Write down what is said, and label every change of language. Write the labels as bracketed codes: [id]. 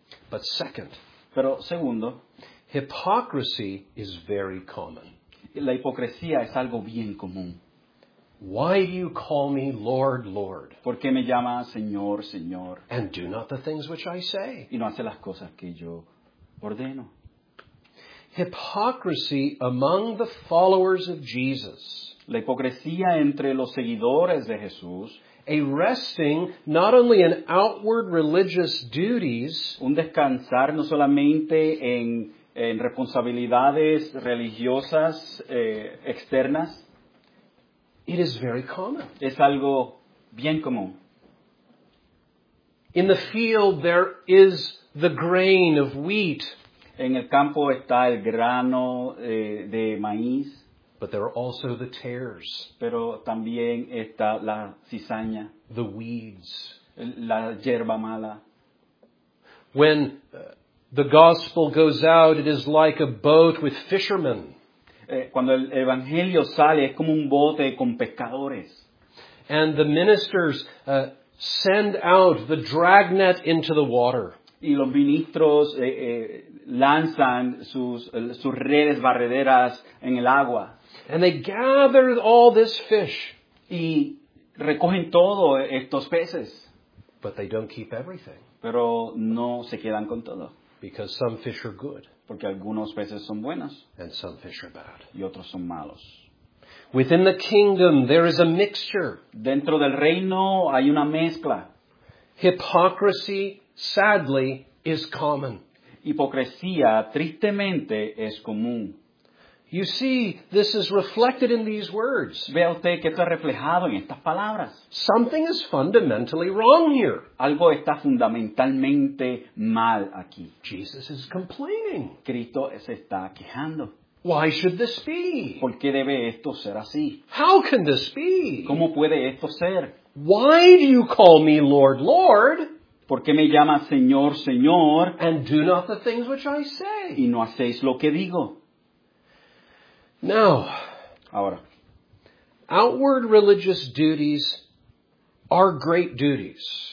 [en] But second, [es] pero segundo, [en] hypocrisy is very common. [es] La hipocresía es algo bien común. [en] Why do you call me Lord, Lord? [es] ¿Por qué me llama Señor, Señor? [en] And do not the things which I say. [es] Y no hace las cosas que yo ordeno. [en] Hypocrisy among the followers of Jesus. [es] La hipocresía entre los seguidores de Jesús. [en] A resting not only in outward religious duties. [es] Un descansar no solamente en responsabilidades religiosas externas. [en] It is very common. [es] Es algo bien común. [en] In the field there is the grain of wheat. [es] En el campo está el grano de maíz. [en] But there are also the tares. [es] Pero también está la cizaña. [en] The weeds. [es] La hierba mala. [en] When the gospel goes out, it is like a boat with fishermen. [es] Cuando el evangelio sale es como un bote con pescadores. [en] And the ministers send out the dragnet into the water. [es] Y los ministros lanzan sus redes barrederas en el agua. [en] And they gather all this fish. [es] Y recogen todo estos peces. [en] But they don't keep everything. [es] Pero no se quedan con todo. [en] Because some fish are good. [es] Porque algunos peces son buenos. [en] And some fish are bad. [es] Y otros son malos. [en] Within the kingdom, there is a mixture. [es] Dentro del reino hay una mezcla. [en] Hypocrisy, sadly, is common. [es] Hipocresía, tristemente, es común. [en] You see, this is reflected in these words. [es] Ve usted que está reflejado en estas palabras. [en] Something is fundamentally wrong here. [es] Algo está fundamentalmente mal aquí. [en] Jesus is complaining. [es] Cristo se está quejando. [en] Why should this be? [es] ¿Por qué debe esto ser así? [en] How can this be? [es] ¿Cómo puede esto ser? [en] Why do you call me Lord, Lord? [es] ¿Por qué me llamas Señor, Señor? [en] And do not the things which I say. [es] Y no hacéis lo que digo. [en] Now, [es] ahora, [en] outward religious duties are great duties.